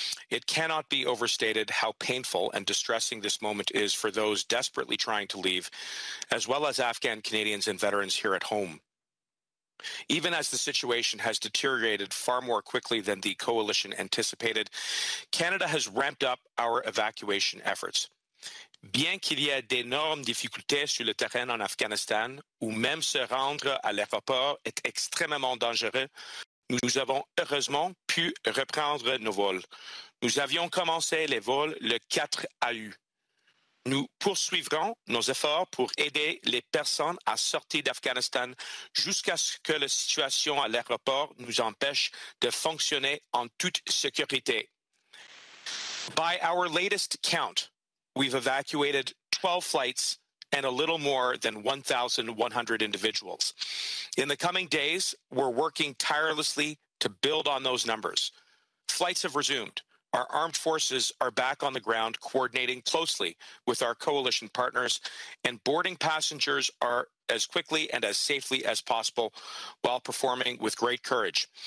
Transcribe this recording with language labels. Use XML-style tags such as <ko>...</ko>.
<en>It cannot be overstated how painful and distressing this moment is for those desperately trying to leave, as well as Afghan Canadians and veterans here at home. Even as the situation has deteriorated far more quickly than the coalition anticipated, Canada has ramped up our evacuation efforts.</en> <fr>Bien qu'il y ait d'énormes difficultés sur le terrain en Afghanistan, où même se rendre à l'aéroport est extrêmement dangereux, nous avons heureusement pu reprendre nos vols. Nous avions commencé les vols le 4 août. Nous poursuivrons nos efforts pour aider les personnes à sortir d'Afghanistan jusqu'à ce que la situation à l'aéroport nous empêche de fonctionner en toute sécurité.</fr> <en>By our latest count, we've evacuated 12 flights and a little more than 1,100 individuals. In the coming days, we're working tirelessly to build on those numbers. Flights have resumed. Our armed forces are back on the ground, coordinating closely with our coalition partners, and boarding passengers are as quickly and as safely as possible while performing with great courage.</en>